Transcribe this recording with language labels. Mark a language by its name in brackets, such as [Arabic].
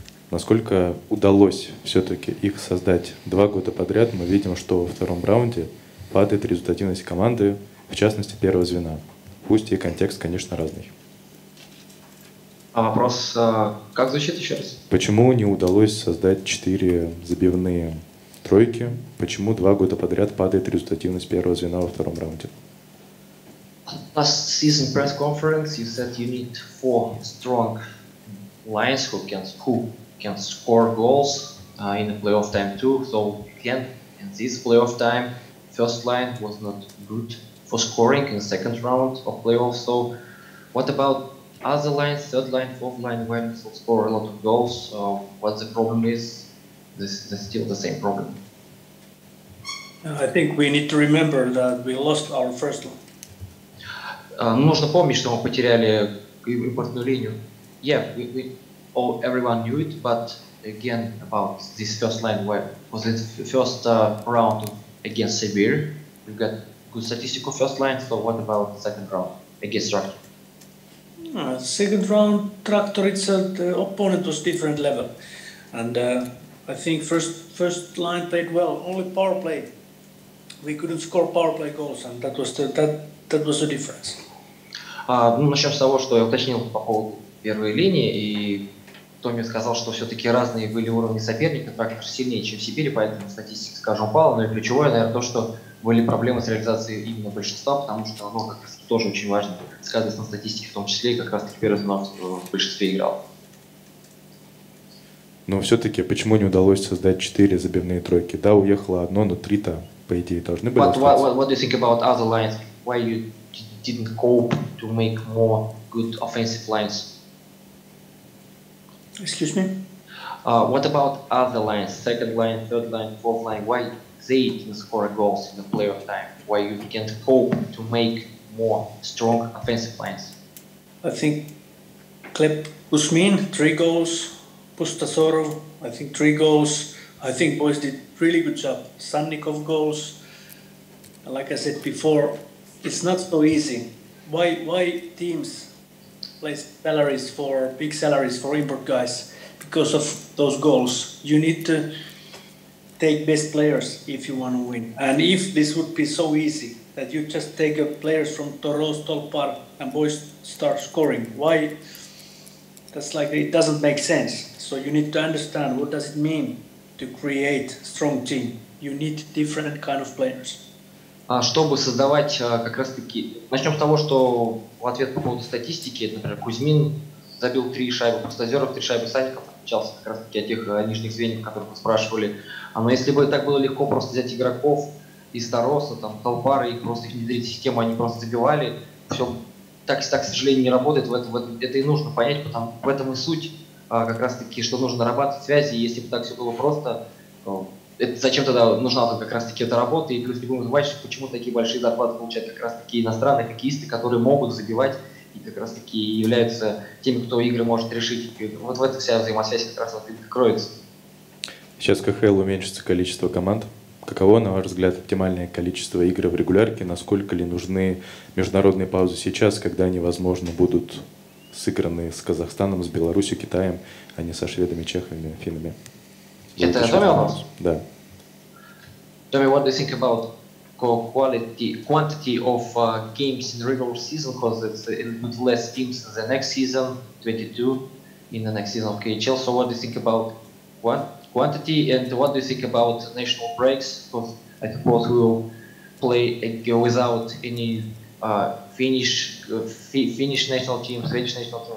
[Russian] Насколько удалось все-таки их создать? 2 года подряд мы видим, что во втором раунде падает результативность команды, в частности, первого звена. Пусть и контекст, конечно, разный. А вопрос как звучит еще раз? Почему не удалось создать 4 забивные тройки? Почему 2 года подряд падает результативность первого звена во втором раунде? [English] Last season press conference, you said you need 4 strong lines who can score goals in the playoff time too. So again, in this playoff time, first line was not good for scoring in the second round of playoffs. So what about other lines, third line, fourth line, when they score a lot of goals? What the problem is? This is still the same problem. I think we need to remember that we lost our first line. [Russian] Нужно помнить, что мы потеряли импортную линию. [English] Yeah, we all, everyone knew it, but again about this first line, where was it first round against Sibir? We got good statistical first line. So what about second round against Traktor? Second round Traktor itself, the opponent was different level, and I think first line played well. Only power play, we couldn't score power play goals, and that was the difference. [Russian] Начнем с того, что я уточнил по поводу первой линии, и Томми сказал, что все-таки разные были уровни соперника, Трактор сильнее, чем в Сибири, поэтому статистика, скажем, упала. Но и ключевое, наверное, то, что были проблемы с реализацией именно большинства, потому что оно как раз тоже очень важно сказывается на статистике, в том числе и как раз таки первый звенок в большинстве играл. Но все-таки почему не удалось создать 4 забивные тройки? Да, уехало одно, но 3-то, по идее, должны были остаться. [English] What do you think about other lines? Why you didn't cope to make more good offensive lines? Excuse me? What about other lines? Second line, third line, fourth line? Why they didn't score goals in the playoff time? Why you can't cope to make more strong offensive lines? I think Klep Usmin, 3 goals. Pustasoro, I think 3 goals. I think boys did really good job. Sannikov goals. Like I said before, it's not so easy. Why teams place salaries for big salaries for import guys because of those goals? You need to take best players if you want to win. And if this would be so easy that you just take players from Toros, Tolpar, and boys start scoring, why? That's like it doesn't make sense. So you need to understand what does it mean to create strong team. You need different kind of players. [Russian] Чтобы создавать как раз-таки... Начнем с того, что в ответ по поводу статистики, например, Кузьмин забил 3 шайбы, Пустозеров 3 шайбы, Санников отличался как раз-таки от тех нижних звеньев, которых вы спрашивали. Но если бы так было легко просто взять игроков из Тароса, там, Толпары, и просто их внедрить в систему, они просто забивали, все так, к сожалению, не работает. Это и нужно понять, потому что в этом и суть как раз-таки, что нужно нарабатывать связи. Если бы так все было просто... Это зачем тогда нужна как раз таки эта работа? И плюс не будем забывать, почему такие большие зарплаты получают как раз таки иностранные хоккеисты, которые могут забивать и как раз таки являются теми, кто игры может решить. Вот в этой вся взаимосвязь как раз вот и кроется. Сейчас КХЛ уменьшится количество команд. Каково, на ваш взгляд, оптимальное количество игр в регулярке? Насколько ли нужны международные паузы сейчас, когда они, возможно, будут сыгранные с Казахстаном, с Беларусью, Китаем, а не со шведами, чехами, финнами. Это Томми вопрос? Да. [English] Томми, what do you think about quality, quantity of games in regular season, because it's a little less teams than the next season, 22, in the next season of KHL, so what do you think about quantity, and what do you think about national breaks, because I suppose we will play without any Finnish national team, Swedish national team.